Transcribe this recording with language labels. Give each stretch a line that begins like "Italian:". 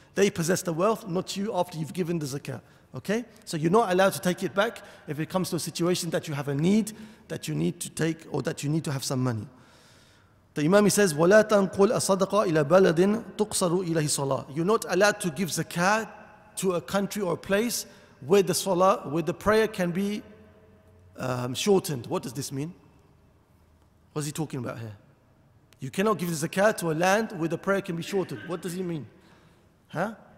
English: They possess the wealth, not you, after you've given the zakat. Okay, so you're not allowed to take it back if it comes to a situation that you have a need, that you need to take, or that you need to have some money. The imam, he says,
Arabic: ولا تنقل الصدقة إلى بلد تقصر إليه صلاة.
English: You're not allowed to give zakat to a country or a place where the salah, where the prayer can be shortened. What does this mean? What is he talking about here? You cannot give the zakat to a land where the prayer can be shortened. What does he mean? Huh?